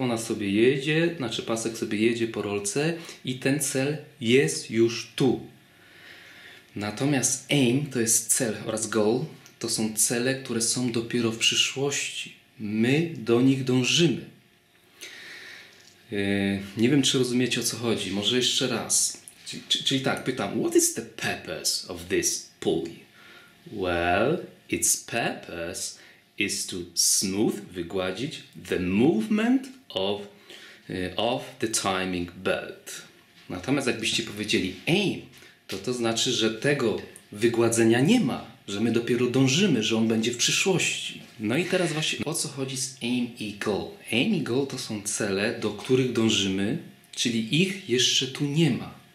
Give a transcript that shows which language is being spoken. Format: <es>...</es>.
<pl>Ona sobie jedzie, znaczy pasek sobie jedzie po rolce i ten cel jest już tu. Natomiast aim to jest cel oraz goal. To są cele, które są dopiero w przyszłości. My do nich dążymy. Nie wiem, czy rozumiecie, o co chodzi. Może jeszcze raz. Czyli tak, pytam.</pl> <en>What is the purpose of this pulley? Well, its purpose is to smooth,</en> <pl>wygładzić,</pl> <en>the movement of the timing belt.</en> <pl>Natomiast jakbyście powiedzieli aim, to znaczy, że tego wygładzenia nie ma. Że my dopiero dążymy, że on będzie w przyszłości. No i teraz właśnie o co chodzi z aim i goal? Aim i goal to są cele, do których dążymy, czyli ich jeszcze tu nie ma.</pl>